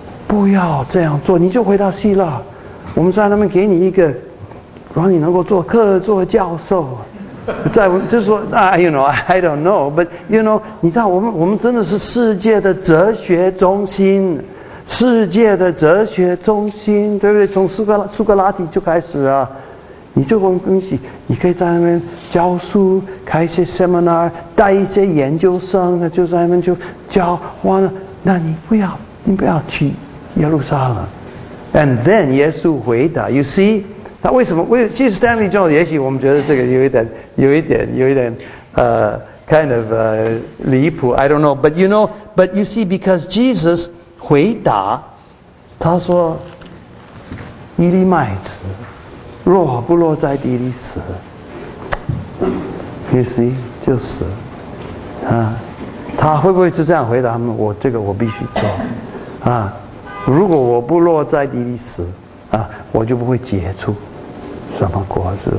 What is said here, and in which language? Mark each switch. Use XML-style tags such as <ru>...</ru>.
<zh>不要这样做你就回到希腊我们在那边给你一个让你能够做客座教授在就是说</zh> <en>you know, I don't know but you know</en> <zh>你知道我们真的是世界的哲学中心世界的哲学中心对不对从苏格拉底就开始啊你就很恭喜，你可以在那边教书，开一些 seminar， 带一些研究生，就在那边就教完了。那你不要，你不要去耶路撒冷。</zh> <en>And then</en> <zh>耶稣回答 ，</zh> <en>You see，</en> <zh>他为什么？其实 Stanley Jones 也许我们觉得这个有一点</zh> <en>kind of</en> <zh>离谱 ，</zh> <en>I don't know， but you see， because Jesus</en> <zh>回答，他说，一粒麦子。若不落在地里死 ，</zh> <en>You see，</en> <zh>就死，啊，他会不会是这样回答他们？我这个我必须做，啊，如果我不落在地里死，啊，我就不会结出什么果子。</zh>